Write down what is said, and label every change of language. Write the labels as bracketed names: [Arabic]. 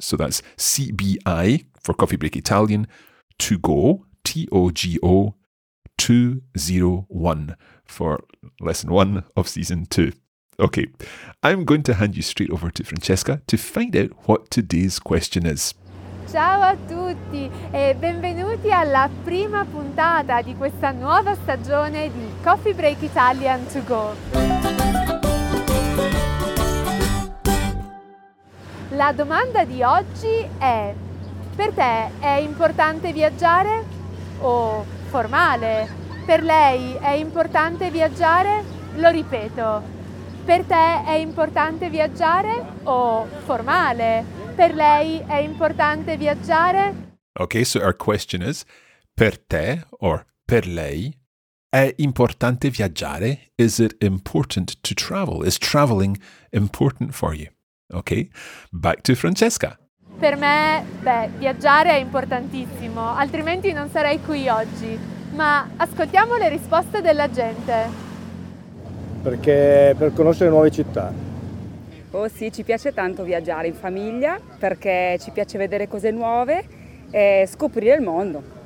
[English] So that's CBI for Coffee Break Italian, To Go, T-O-G-O, 201 for lesson one of season two. Okay, I'm going to hand you straight over to Francesca to find out what today's question is. [Italian] Ciao a tutti e benvenuti alla prima puntata di questa nuova stagione di Coffee Break Italian To Go. La domanda di oggi è: per te è importante viaggiare? O formale, per lei è importante viaggiare? Lo ripeto, per te è importante viaggiare? O formale, per lei è importante viaggiare? [English] Okay, so our question is, [Italian] per te or per lei è importante viaggiare? [English] Is it important to travel? Is traveling important for you? Okay, back to Francesca. [Italian] Per me, viaggiare è importantissimo, altrimenti non sarei qui oggi. Ma ascoltiamo le risposte della gente. Perché per conoscere nuove città. Oh sì, ci piace tanto viaggiare in famiglia, perché ci piace vedere cose nuove e scoprire il mondo.